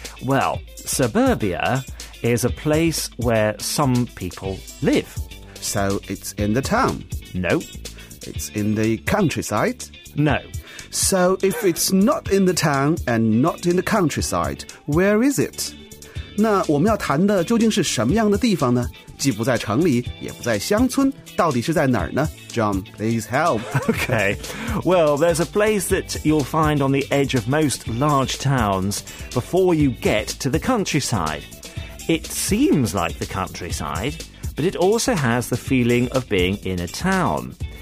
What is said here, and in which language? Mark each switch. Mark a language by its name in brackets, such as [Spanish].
[English] Well, suburbia is a place where some people live. So it's in the town? No. It's in the countryside? No. So if it's not in the town and not in the countryside, where is it? [Chinese] 那我们要谈的究竟是什么样的地方呢？既不在城里，也不在乡村，到底是在哪儿呢？ [English] John, please help. Okay. Well, there's a place that you'll find on the edge of most large towns before you get to the countryside. It seems like the countryside, but it also has the feeling of being in a town.